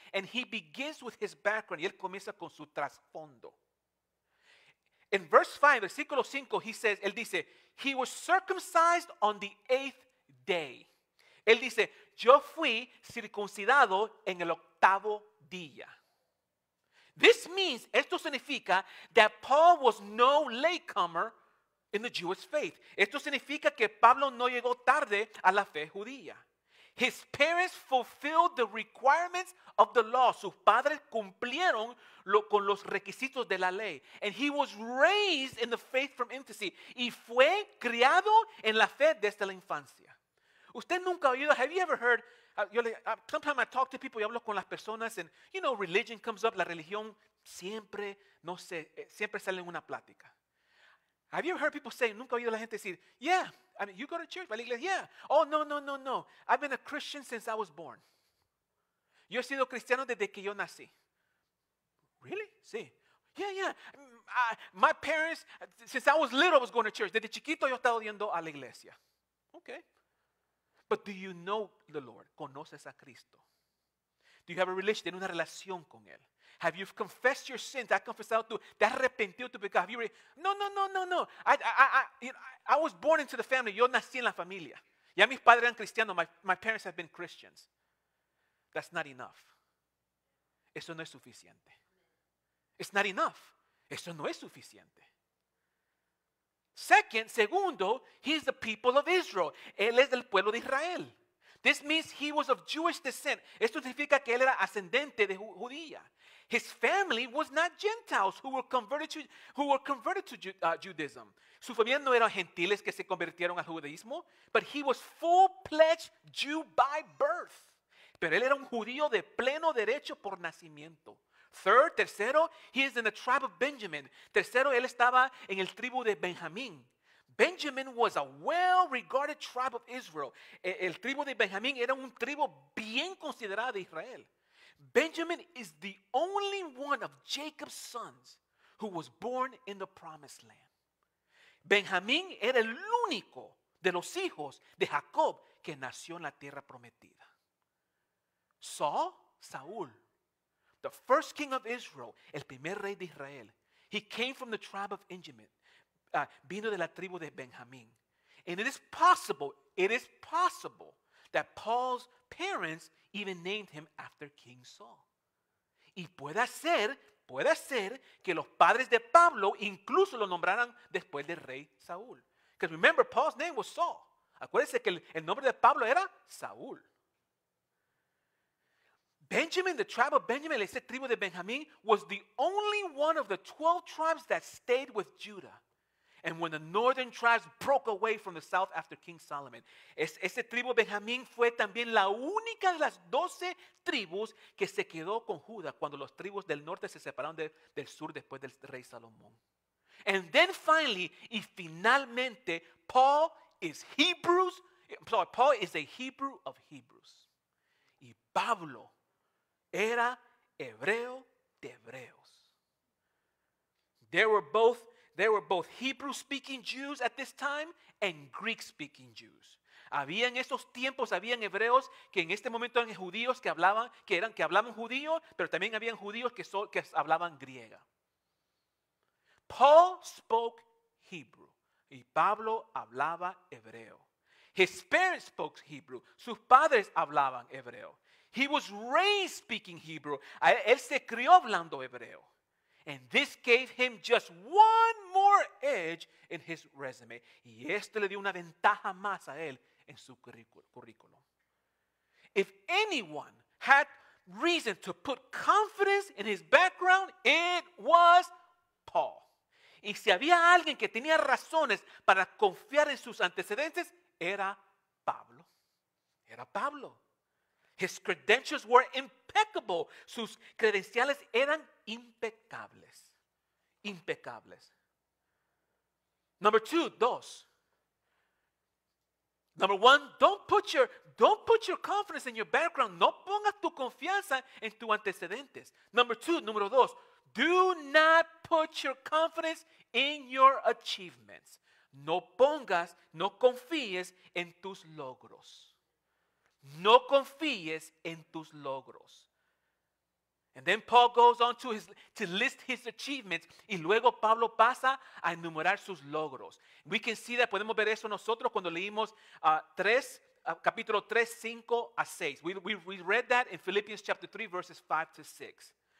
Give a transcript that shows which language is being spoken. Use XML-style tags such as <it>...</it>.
<en>And he begins with his background.</en> <es>Y él comienza con su trasfondo.</es> <en>In verse 5,</en> <es>versículo 5,</es> <en>he says,</en> <es>él dice,</es> <en>he was circumcised on the eighth day.</en> <es>Él dice, yo fui circuncidado en el octavo día.</es> <en>This means,</en> <es>esto significa</es> <en>that Paul was no latecomer in the Jewish faith.</en> <es>Esto significa que Pablo no llegó tarde a la fe judía.</es> <en>His parents fulfilled the requirements of the law.</en> <es>Sus padres cumplieron con los requisitos de la ley.</es> <en>And he was raised in the faith from infancy.</en> <es>Y fue criado en la fe desde la infancia. Usted nunca ha oído,</es> <en>have you ever heard, sometimes I talk to people,</en> <es>yo hablo con las personas,</es> <en>and you know, religion comes up,</en> <es>la religión siempre, no sé, siempre sale en una plática.</es> <en>Have you ever heard people say,</en> <es>nunca ha oído la gente decir,</es> <en>yeah, I mean, you go to church, but iglesia, yeah. Oh, no, I've been a Christian since I was born.</en> <es>Yo he sido cristiano desde que yo nací.</es> <en>Really? Sí. Yeah. My parents, since I was little, I was going to church.</en> <es>Desde chiquito yo estaba yendo a la iglesia.</es> <en>Okay. But do you know the Lord?</en> <es>¿Conoces a Cristo?</es> <en>Do you have a relation?</en> <es>¿Tienes una relación con Él?</es> <en>Have you confessed your sins?</en> <es>¿Has confesado tu? ¿Te has arrepentido tu pecado?</es> <en>No. I was born into the family.</en> <es>Yo nací en la familia. Ya mis padres eran cristianos.</es> <en>My parents have been Christians. That's not enough.</en> <es>Eso no es suficiente.</es> <en>It's not enough.</en> <es>Eso no es suficiente. Segundo,</es> <en>he's the people of Israel.</en> <es>Él es del pueblo de Israel.</es> <en>This means he was of Jewish descent.</en> <es>Esto significa que él era ascendente de judía.</es> <en>His family was not Gentiles who were converted to Judaism.</en> <es>Su familia no eran gentiles que se convirtieron al judaísmo,</es> <en>but he was full-fledged Jew by birth.</en> <es>Pero él era un judío de pleno derecho por nacimiento.</es> <en>Tercero, he is in the tribe of Benjamin.</en> <es>Tercero, él estaba en el tribu de Benjamín.</es> <en>Benjamin was a well-regarded tribe of Israel.</en> <es>El tribu de Benjamín era un tribu bien considerado de Israel.</es> <en>Benjamin is the only one of Jacob's sons who was born in the promised land.</en> <es>Benjamín era el único de los hijos de Jacob que nació en la tierra prometida.</es> <en>Saúl. The first king of Israel,</en> <es>el primer rey de Israel,</es> <en>he came from the tribe of Benjamin,</en> <es>vino de la tribu de Benjamín.</es> <en>And it is possible that Paul's parents even named him after King Saul.</en> <es>Y puede ser que los padres de Pablo incluso lo nombraran después del rey Saúl.</es> <en>Because remember, Paul's name was Saul.</en> <es>Acuérdense que el nombre de Pablo era Saúl.</es> <en>Benjamin, the tribe of Benjamin,</en> <es>esa tribu de Benjamín,</es> <en>was the only one of the 12 tribes that stayed with Judah. And when the northern tribes broke away from the south after King Solomon,</en> <es>esa tribu Benjamín fue también la única de las 12 tribus que se quedó con Judá cuando los tribus del norte se separaron del sur después del rey Salomón.</es> <en>And then finally,</en> <es>y finalmente,</es> <en>Paul is a Hebrew of Hebrews.</en> <es>Y Pablo era hebreo de hebreos.</es> <en>They were both Hebrew-speaking Jews at this time and Greek-speaking Jews.</en> <es>Había en esos tiempos, habían hebreos que en este momento eran judíos que hablaban judío, pero también habían judíos que hablaban griega.</es> <en>Paul spoke Hebrew</en> <es>y Pablo hablaba hebreo.</es> <en>His parents spoke Hebrew.</en> <es>Sus padres hablaban hebreo.</es> <en>He was raised speaking Hebrew.</en> <es>Él se crió hablando hebreo.</es> <en>And this gave him just one more edge in his resume.</en> <es>Y esto le dio una ventaja más a él en su currículum.</es> <en>If anyone had reason to put confidence in his background, it was Paul.</en> <es>Y si había alguien que tenía razones para confiar en sus antecedentes, era Pablo. Era Pablo.</es> <en>His credentials were impeccable.</en> <es>Sus credenciales eran impecables. Impecables.</es> <en>Number two, dos. Number one, don't put your confidence in your background.</en> <es>No pongas tu confianza en tus antecedentes.</es> <en>Number two,</en> <es>número dos,</es> <en>do not put your confidence in your achievements.</en> <es>No pongas, no confíes en tus logros. No confíes en tus logros.</es> <en>And then Paul goes on to list his achievements.</en> <es>Y luego Pablo pasa a enumerar sus logros.</es> <en>We can see that.</en> <es>Podemos ver eso nosotros cuando leímos capítulo 3, 5 a 6.</es> <en>We read that in Philippians chapter 3, verses 5 to 6.</en>